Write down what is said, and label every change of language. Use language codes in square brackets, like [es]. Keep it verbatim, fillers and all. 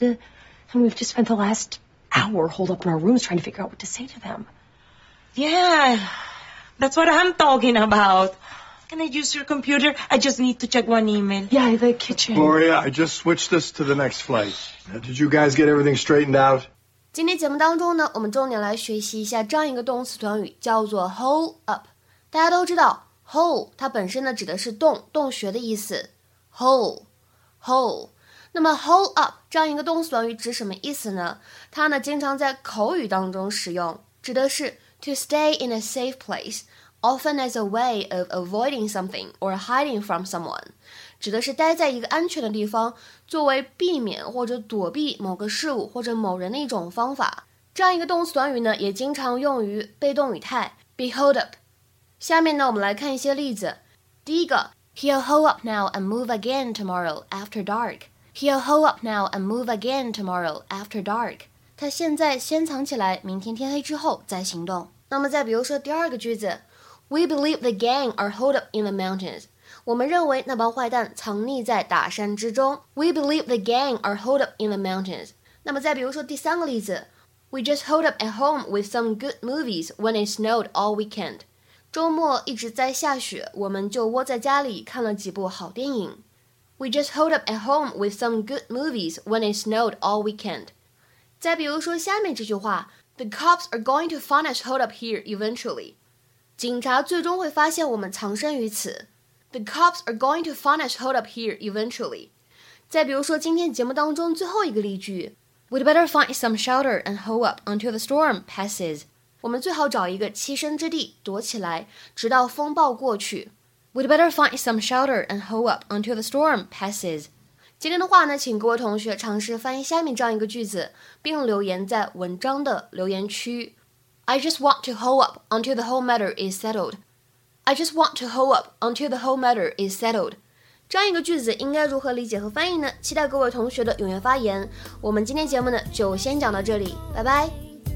[en] And we've just spent the last hour holed up in our rooms trying to figure out what to say to them. Yeah, that's what I'm talking about. Can I use your computer? I just need to check one email. Yeah, the kitchen. Gloria, I just switched this to the next flight. Did you guys get everything straightened out? [zh] 今天节目当中呢，我们重点来学习一下这样一个动词短语，叫做 hole up。大家都知道 ，hole 它本身呢指的是洞、洞穴的意思。 hole hole。 那么 hole up 这样一个动词短语指什么意思呢？它呢经常在口语当中使用，指的是 [en] to stay in a safe place。 Often as a way of avoiding something or hiding from someone. [zh] 指的是待在一个安全的地方，作为避免或者躲避某个事物或者某人的一种方法。这样一个动词短语呢，也经常用于被动语态 be holed up。下面呢，我们来看一些例子。第一个 [en] He'll hold up now and move again tomorrow after dark. He'll hold up now and move again tomorrow after dark. [zh] 他现在先藏起来，明天天黑之后再行动。那么再比如说第二个句子。 [en] We believe the gang are holed up in the mountains. [zh] 我们认为那帮坏蛋藏匿在大山之中。 [en] We believe the gang are holed up in the mountains. [zh] 那么再比如说第三个例子 [en] ，We just holed up at home with some good movies when it snowed all weekend. [zh] 周末一直在下雪，我们就窝在家里看了几部好电影。 [en] We just holed up at home with some good movies when it snowed all weekend. [zh] 再比如说下面这句话 [en] ，The cops are going to find us holed up here eventually. [zh] 警察最终会发现我们藏身于此。 [en] The cops are going to find us holed up here eventually. [zh] 再比如说今天节目当中最后一个例句 [en] We'd better find some shelter and hole up until the storm passes. [zh] 我们最好找一个栖身之地躲起来，直到风暴过去。 [en] We'd better find some shelter and hole up until the storm passes. [zh] 今天的话呢，请各位同学尝试翻译下面这样一个句子，并留言在文章的留言区。 [en] I just want to hole up until the whole matter is settled. I just want to hole up until the whole matter is settled. [zh] 这样一个句子应该如何理解和翻译呢？期待各位同学的踊跃发言。我们今天节目呢就先讲到这里，拜拜。